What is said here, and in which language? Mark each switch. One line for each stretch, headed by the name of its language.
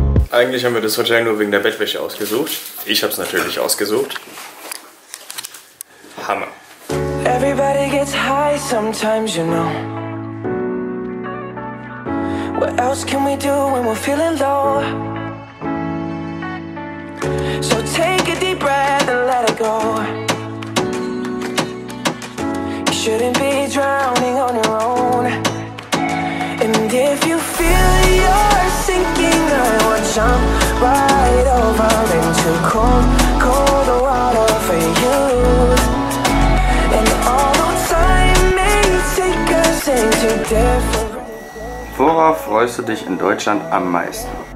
German: Eigentlich haben wir das Hotel nur wegen der Bettwäsche ausgesucht. Ich habe es natürlich ausgesucht. Hammer.
English: Everybody gets high sometimes, you know. What else can we do when we're feeling low? So take a deep breath and let it go. You shouldn't be drowning on your own. And if you feel you're sinking, I would jump right over into cold, cold water for you. And although time may take us into different...
German: Worauf freust du dich in Deutschland am meisten?